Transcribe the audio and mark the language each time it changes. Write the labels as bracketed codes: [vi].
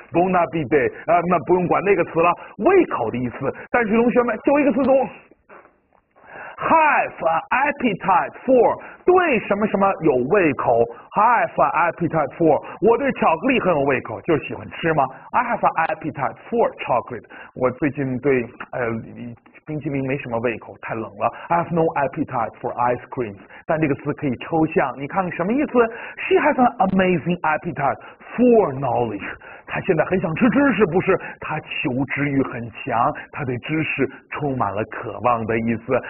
[zh] bon appetit， 那不用管那个词了，胃口的意思。但是同学们，就一个词组， have an appetite for， 对什么什么有胃口。 Have an appetite for， 我对巧克力很有胃口，就喜欢吃吗？ [en] I have an appetite for chocolate， [zh] 我最近对冰淇淋没什么胃口，太冷了。 [en] I have no appetite for ice creams。 [zh] 但这个词可以抽象，你看什么意思 ？ [en] She has an amazing appetite for knowledge。 [zh] 她现在很想吃知识，不是？她求知欲很强，她对知识充满了渴望的意思。